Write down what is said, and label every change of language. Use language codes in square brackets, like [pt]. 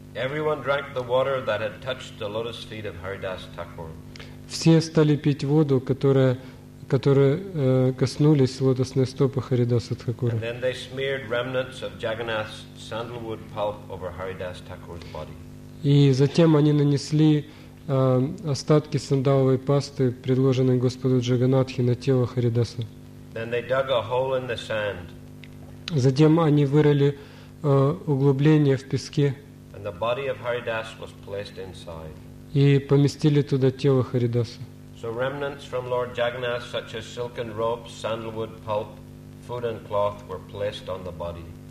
[en] Everyone drank the water that had touched the lotus feet of Haridas Thakur. [ru] Все стали пить воду, которая коснулись лотосной стопы Харидаса Тхакура. [en] And then they smeared remnants of Jagannath's sandalwood pulp over Haridas Thakur's body. [ru] И затем они нанесли остатки сандаловой пасты, предложенной Господу Джаганатхи, на тело Харидаса. [en] Then they dug a hole in the sand. [ru] Затем они вырыли углубление в песке. [en] And the body of Haridas was placed inside. [ru] И поместили туда тело Харидаса. [en] So remnants from Lord Jagannath, such as silken ropes, sandalwood pulp, food and cloth, were placed on the body.